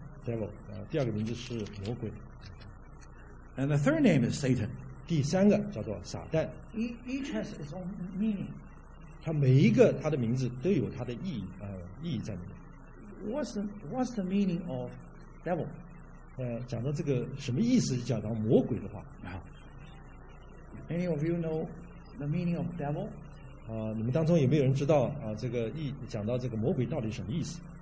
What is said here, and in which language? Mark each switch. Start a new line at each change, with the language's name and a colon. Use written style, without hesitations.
Chinese: devil 啊第二个名字是魔鬼
English: and the third name is Satan
Chinese: 第三个叫做撒旦
English: Each has its own meaning
Chinese: 他每一个他的名字都有他的意义、意义在里面
English: What's the meaning of devil?
Chinese: 讲到这个什么意思讲到魔鬼的话、
English: Any of you know the meaning of devil?
Chinese: 你们当中有没有人知道、这个意讲到这个魔鬼到底什么意思